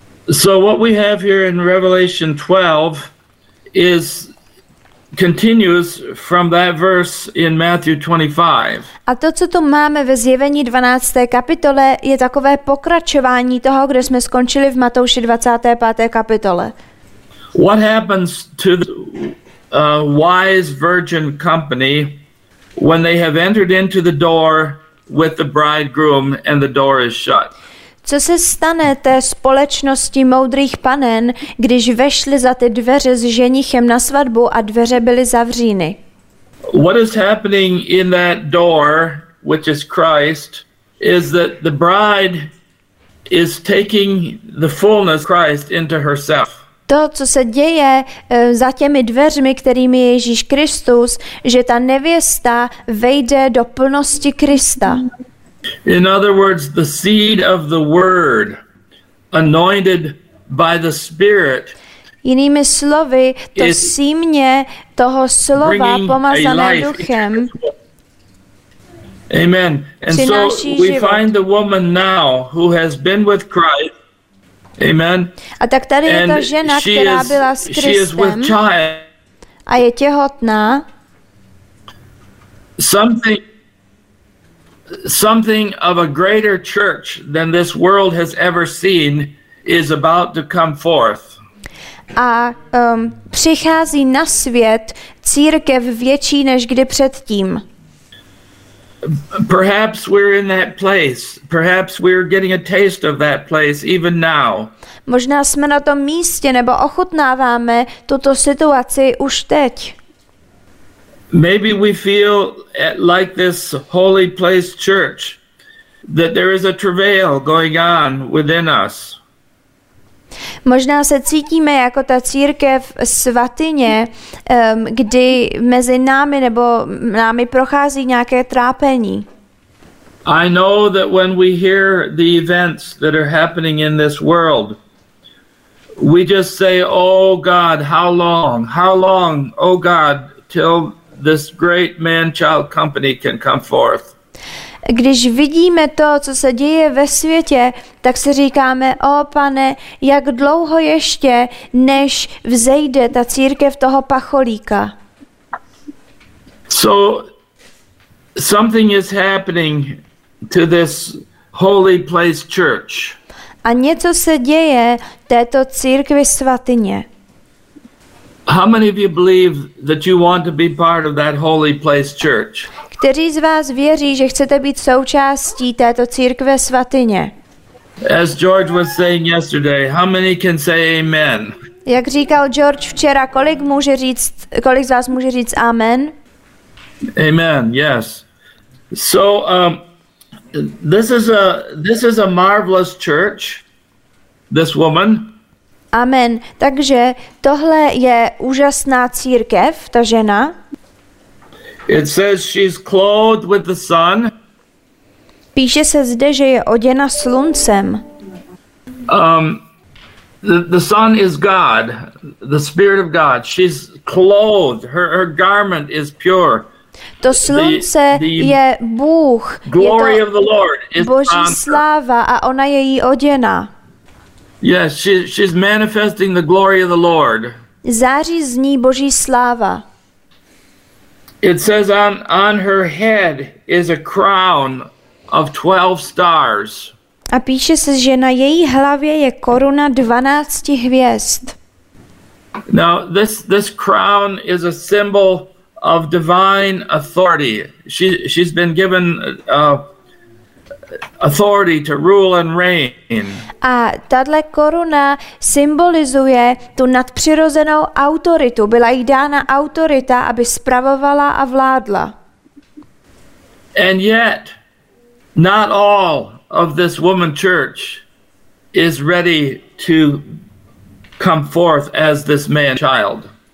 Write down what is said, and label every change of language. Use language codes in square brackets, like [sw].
[en] So what we have here in Revelation 12 is continues from that verse in Matthew 25. [cs] A to, co tu máme ve zjevení 12. kapitole, je takové pokračování toho, kde jsme skončili v Matouši 25. kapitole. [en] What happens to the wise virgin company when they have entered into the door with the bridegroom and the door is shut? [cs] Co se stane té společnosti moudrých panen, když vešli za ty dveře s ženichem na svatbu a dveře byly zavříny? [en] What is happening in that door, which is Christ, is that the bride is taking the fullness of Christ into herself. [cs] To, co se děje za těmi dveřmi, kterými je Ježíš Kristus, že ta nevěsta vejde do plnosti Krista. [en] In other words, the seed of the word anointed by the Spirit. [cs] Jinými slovy, to símě toho slova pomazané duchem. [en] Amen. And so we [cs] život. [en] Find the woman now who has been with Christ. Amen. [cs] A tak tady [en] and [cs] je ta žena, která byla s Kristem. A je těhotná. [en] Something of a greater church than this world has ever seen is about to come forth. [cs] A přichází na svět církev větší než kdy předtím. [en] Perhaps we're in that place. Perhaps we're getting a taste of that place even now. [cs] Možná jsme na tom místě nebo ochutnáváme tuto situaci už teď. [en] Maybe we feel like this holy place church that there is a travail going on within us. [cs] Možná se cítíme jako ta církev svatyně, kdy mezi námi nebo námi prochází nějaké trápení. [en] I know that when we hear the events that are happening in this world, we just say, "Oh God, how long? How long, oh God, till this great man-child company can come forth." [cs] Když vidíme to, co se děje ve světě, tak si říkáme, o pane, jak dlouho ještě, než vzejde ta církev toho pacholíka. [en] So, something is happening to this holy place church. [cs] A něco se děje této církvi svatyně. [en] How many of you believe that you want to be part of that holy place church? [cs] Kteří z vás věří, že chcete být součástí této církve svatyně? [en] As George was saying yesterday, how many can say amen? [cs] Jak říkal George včera, kolik z vás může říct amen? [en] Amen, yes. So this is a marvelous church, this woman. Amen. [cs] Takže tohle je úžasná církev, ta žena. [en] It says she's clothed with the sun. [cs] Píše se zde, že je oděna sluncem. [en] The sun is God, the spirit of God. She's clothed. Her garment is pure. [cs] To slunce je Bůh. [en] Glory of the Lord is [cs] Boží sláva a ona je jí oděna. [en] Yes, she's manifesting the glory of the Lord. [cs] Září z ní Boží sláva. [en] It says on her head is a crown of 12 stars. [cs] A píše se, že na její hlavě je koruna 12 hvězd. [en] Now this crown is a symbol of divine authority. She's been given authority to rule and reign. [cs] A tato koruna symbolizuje tu nadpřirozenou autoritu. Byla jí dána autorita, aby spravovala a vládla. [en] And yet, not all of this woman church is ready to come forth as this man child.